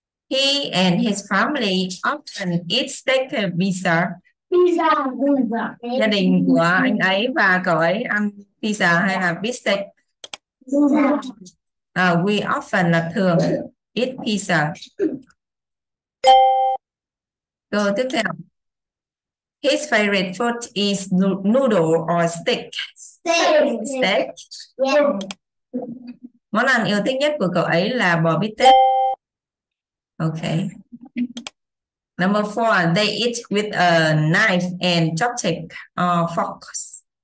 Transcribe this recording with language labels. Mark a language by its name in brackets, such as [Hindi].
[English] He and his family often eat steak and pizza. Pizza. [Vietnamese] Gia đình của anh ấy và cậu ấy ăn pizza hay là beef steak? [English] Pizza. We often [Vietnamese] là thường [English] eat pizza. [Vietnamese] Câu tiếp theo. [English] His favorite food is noodle or steak. Steak. Steak. Yeah. [Vietnamese] Món ăn yêu thích nhất của cậu ấy là bò bít tết. [English] Okay. Number four, they eat with a knife and chopstick or forks.